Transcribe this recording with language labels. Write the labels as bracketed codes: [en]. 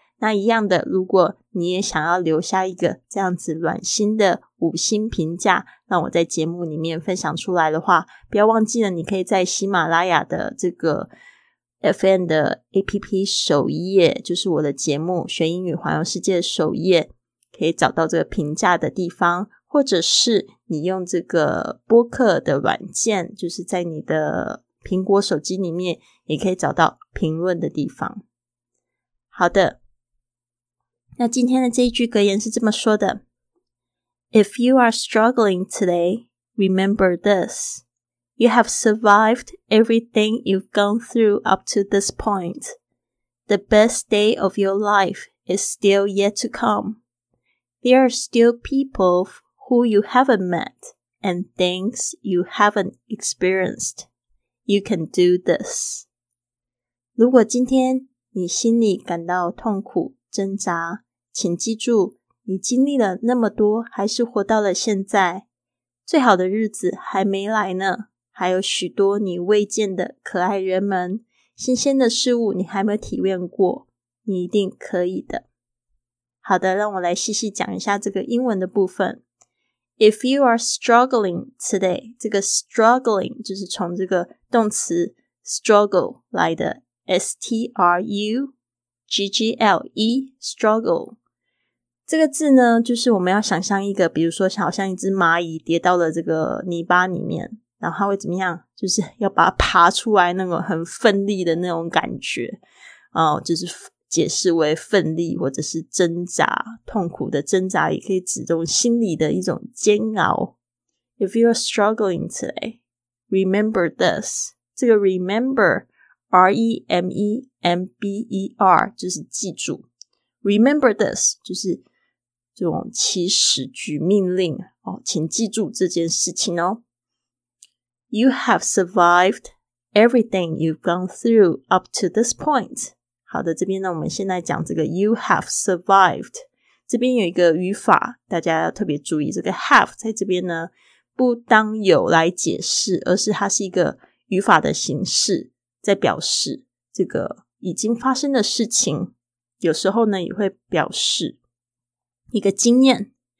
[zh] 那一样的，如果你也想要留下一个这样子暖心的五星评价，让我在节目里面分享出来的话，不要忘记了，你可以在喜马拉雅的这个 FM 的 APP 首页，就是我的节目《学英语环游世界》首页，可以找到这个评价的地方，或者是你用这个播客的软件，就是在你的苹果手机里面，也可以找到评论的地方。好的，那今天的这一句格言是这么说的。 [en] If you are struggling today, remember this. You have survived everything you've gone through up to this point. The best day of your life is still yet to come. There are still people who you haven't met and things you haven't experienced. You can do this. [zh] 如果今天你心里感到痛苦、挣扎，请记住你经历了那么多，还是活到了现在，最好的日子还没来呢，还有许多你未见的可爱人们，新鲜的事物你还没有体验过，你一定可以的。好的，让我来细细讲一下这个英文的部分。 [en] If you are struggling today， [zh] 这个 struggling 就是从这个动词 struggle 来的， struggle struggle，这个字呢，就是我们要想象一个，比如说好像一只蚂蚁跌到了这个泥巴里面，然后它会怎么样，就是要把它爬出来，那种很奋力的那种感觉，就是解释为奋力或者是挣扎，痛苦的挣扎，也可以指这种心理的一种煎熬。 [en] If you are struggling today, remember this. [zh] 这个 remember R-E-M-E-M-B-E-R 就是记住， [en] remember this [zh] 就是这种祈使举命令，请记住这件事情哦。 [en] You have survived everything you've gone through up to this point。 [zh] 好的，这边呢我们现在讲这个 [en] You have survived， [zh] 这边有一个语法大家要特别注意，这个 have 在这边呢不当有来解释，而是它是一个语法的形式，在表示这个已经发生的事情，有时候呢也会表示一个经验。